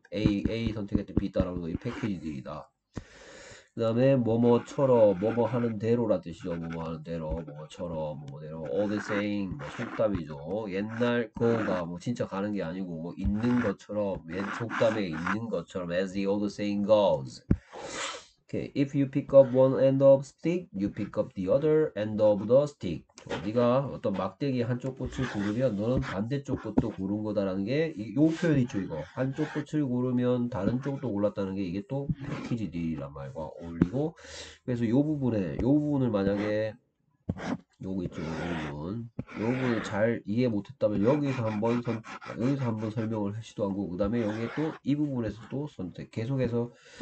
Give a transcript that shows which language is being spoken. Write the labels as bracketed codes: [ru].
[ko] A 선택했던 B 따라오는 거이 패키지 딜이다. 그다음에 뭐뭐처럼 뭐뭐 하는 대로라 뜻이죠. 뭐뭐 하는 대로, 뭐뭐처럼 뭐뭐대로. [en] All the same, [ko] 뭐 속담이죠. 옛날 거가 뭐 진짜 가는 게 아니고 뭐 있는 것처럼, 옛 속담에 있는 것처럼. [en] As the old saying goes. If you pick up one end of stick, you pick up the other end of the stick. [ko] 네가 어떤 막대기 한쪽 끝을 고르면 너는 반대쪽 것도 고른 거다라는 게이 표현 있죠, 이거. 한쪽 끝을 고르면 다른 쪽도 골랐다는 게 이게 또 패키지 딜이란 말과 어울리고. 그래서 요 부분을 만약에 요거 있죠, 요 부분을 잘 이해 못했다면 여기서 한번 설명을 시도한 거고, 그다음에 여기에 또이 부분에서 또 선택 계속해서.